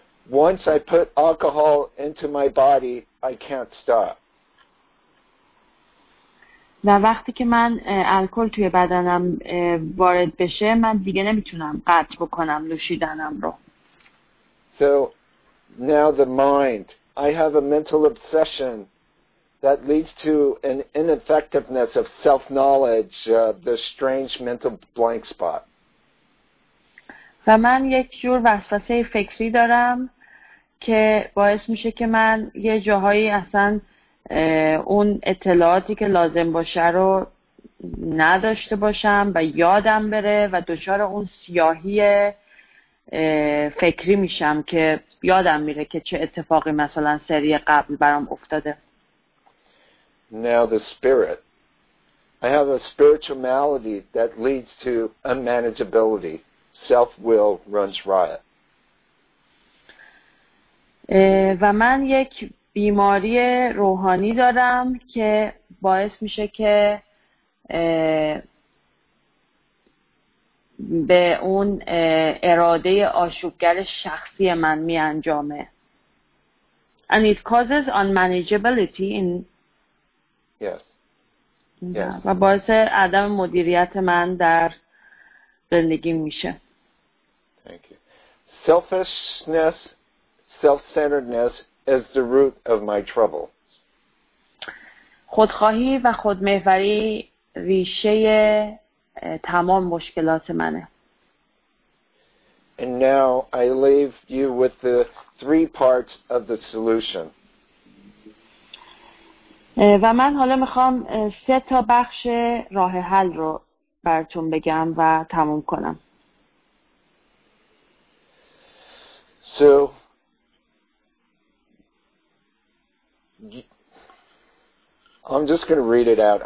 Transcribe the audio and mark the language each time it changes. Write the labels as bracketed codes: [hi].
[en] Once I put alcohol into my body, I can't stop. [fa] و وقتی که من الکل توی بدنم وارد بشه من دیگه نمیتونم قطع بکنم نوشیدنم رو. [en] So now the mind, I have a mental obsession that leads to an ineffectiveness of self-knowledge, the strange mental blank spot. [fa] و من یک جور وسوسه فکری دارم که باعث میشه که من یه جاهایی اصلا اون اطلاعاتی که لازم باشه رو نداشته باشم و یادم بره و دچار اون سیاهی فکری میشم که یادم میره که چه اتفاقی مثلا سری قبل برام افتاده. [en] Now the spirit. I have a spiritual malady that leads to unmanageability. Self-will runs riot. [fa] و من یک بیماری روحانی دارم که باعث میشه که به اون اراده آشوبگر شخصی من میانجامه. [en] And it causes unmanageability in yes. [fa] و باعث عدم مدیریت من در زندگی میشه. [en] Thank you. Selfishness, self-centeredness is the root of my trouble. [fa] خودخواهی و خودمحوری ریشه تمام مشکلات منه. [en] And now I leave you with the three parts of the solution. [fa] و من حالا میخوام سه تا بخش راه حل رو براتون بگم و تموم کنم. [en] So I'm just going to read it out.